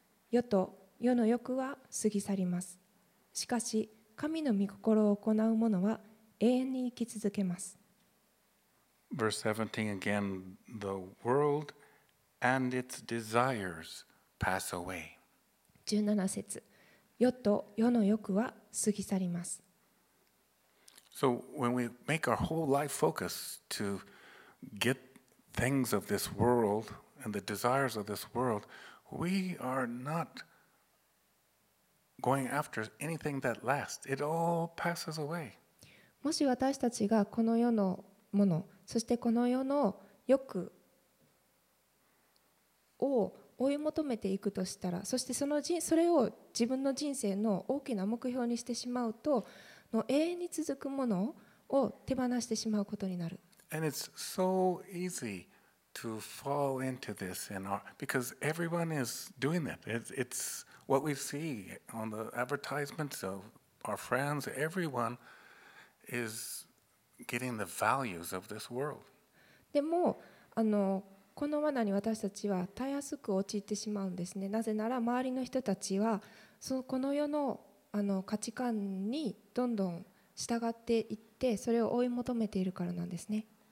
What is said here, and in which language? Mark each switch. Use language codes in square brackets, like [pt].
[ja] 世と世の欲は過ぎ去ります。しかし神の御心を行う者は永遠に生き続けます。 [en] Verse 17 again, the world and its desires pass away. [ja] 17節、世と世の欲は過ぎ去ります。 [en] So when we make our whole life focus to get things of this world and the desires of this world, we are not going after anything that lasts. It all passes away. [ja] もし私たちがこの世のもの、そしてこの世の欲を追い求めていくとしたら、そしてそれを自分の人生の大きな目標にしてしまうと、の永遠に続くものを手放してしまうことになる。 [en] And it's so easy to fall into this in our, because everyone is doing it. It's what we see on the advertisements of our friends. Everyone is getting the values of this world. [ja] でも、この罠に私たちはたやすく陥ってしまうんですね。なぜなら周りの人たちはそのこの世の価値観にどんどん従っていって、それを追い求めているからなんですね。